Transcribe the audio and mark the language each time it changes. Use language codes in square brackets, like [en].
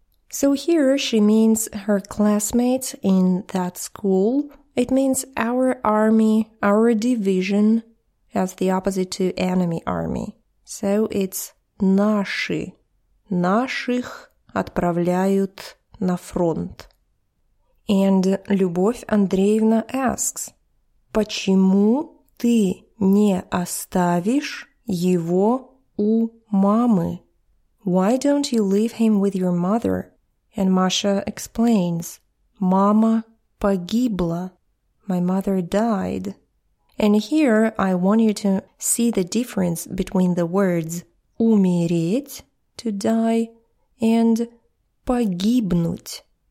[en] So here she means her classmates in that school. It means our army, our division, as the opposite to enemy army. So it's наши. [ru] Наших отправляют на фронт. [en] And Любовь Андреевна asks, [ru] почему ты не оставишь его у мамы? [en] Why don't you leave him with your mother? And Маша explains, [ru] мама погибла. [en] My mother died. And here I want you to see the difference between the words умереть, to die, and погибнуть.